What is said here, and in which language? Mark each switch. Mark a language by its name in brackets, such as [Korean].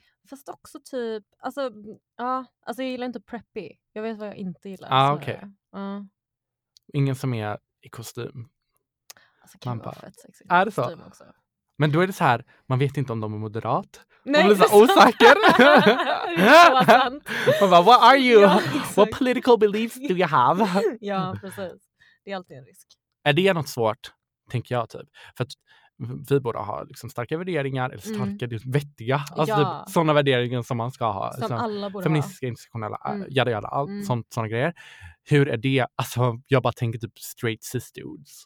[Swedish] Fast också typ, alltså ja, alltså jag gillar inte preppy. Jag vet vad jag inte gillar. Ah, okej. [English] Okay. [Swedish] Ingen som är i kostym. Alltså kan man vara fett sexy. Är det så? Också. Men då är det så här, man vet inte om de är moderat. Nej, man blir så osäker. Man bara, [English] what are you? Ja, what political beliefs do you have? [Swedish] Ja, precis. Det är alltid en risk. Är det något svårt, tänker jag typ. För att vi båda har liksom starka värderingar, eller starka, vettiga. Alltså ja. Typ sådana värderingar som man ska ha. Som alltså, alla borde feministiska, ha. Institutionella, jada, jada, allt sådana grejer. Hur är det? Alltså, jag bara tänker typ [English] straight cis dudes.